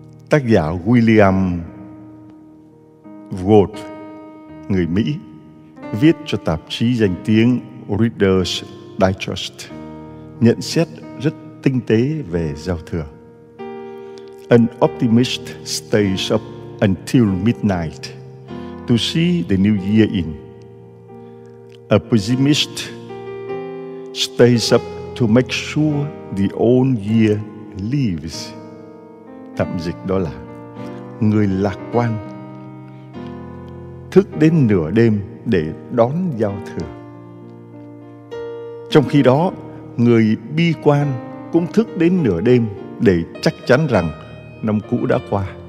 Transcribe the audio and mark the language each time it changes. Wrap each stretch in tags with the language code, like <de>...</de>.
<vi>Tác giả William Wood, người Mỹ, viết cho tạp chí danh tiếng Reader's Digest, nhận xét rất tinh tế về giao thừa.</vi> <en>An optimist stays up until midnight to see the new year in. A pessimist stays up to make sure the old year leaves.</en> <vi>Tạm dịch đó là: người lạc quan thức đến nửa đêm để đón giao thừa, trong khi đó người bi quan cũng thức đến nửa đêm để chắc chắn rằng năm cũ đã qua.</vi>